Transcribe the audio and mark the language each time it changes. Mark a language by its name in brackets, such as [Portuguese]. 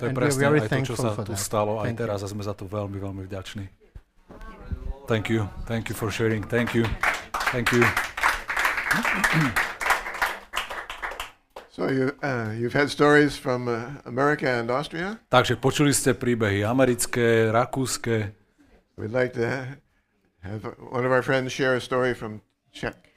[Slovak] To je presne aj to, čo sa tu stalo aj teraz a sme za to veľmi, veľmi vďační. [English] Thank you for sharing, thank you. So you've had stories from America and Austria? [Slovak] Takže počuli ste príbehy americké, rakúske. [English] We'd like to have one of our friends share a story from Czech.